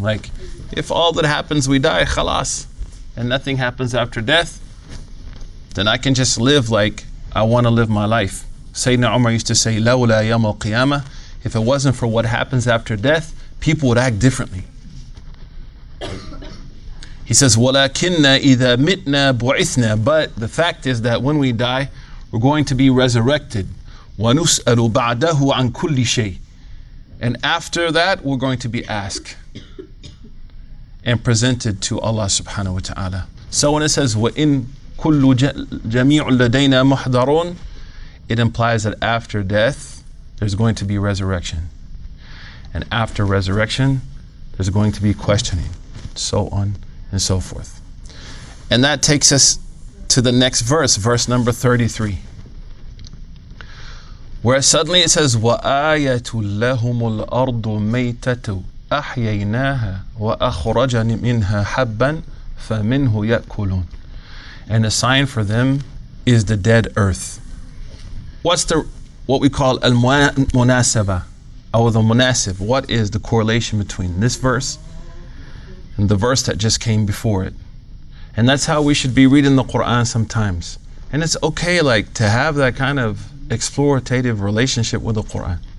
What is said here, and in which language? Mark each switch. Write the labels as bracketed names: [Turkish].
[English] Like, if all that happens, we die, khalas, and nothing happens after death, then I can just live like I want to live my life. Sayyidina Umar used to say, [Arabic] لَوْلَا يَوْمَ الْقِيَامَةِ. [English] If it wasn't for what happens after death, people would act differently. He says, [Arabic] وَلَكِنَّ إِذَا مِتْنَا بُعِثْنَا. [English] But the fact is that when we die, we're going to be resurrected. [Arabic] وَنُسْأَلُ بَعْدَهُ عَنْ كُلِّ شَيْءٍ. [English] And after that, we're going to be asked and presented to Allah subhanahu wa ta'ala. So when it says, [Arabic] وَإِن كُلُّ جَمِيعُ لَدَيْنَا مُحْضَرُونَ, [English] it implies that after death, there's going to be resurrection. And after resurrection, there's going to be questioning, so on and so forth. And that takes us to the next verse, verse number 33. Where suddenly it says, [Arabic] وَآيَةُ لَهُمُ الْأَرْضُ مَيْتَةُ أَحْيَيْنَاهَا وَأَخْرَجَنِ مِنْهَا حَبًّا فَمِنْهُ يَأْكُلُونَ. [English] And a sign for them is the dead earth. What's the, what we call al-munasaba, or the munasib? What is the correlation between this verse and the verse that just came before it? And that's how we should be reading the Quran sometimes. And it's okay, like, to have that kind of explorative relationship with the Quran.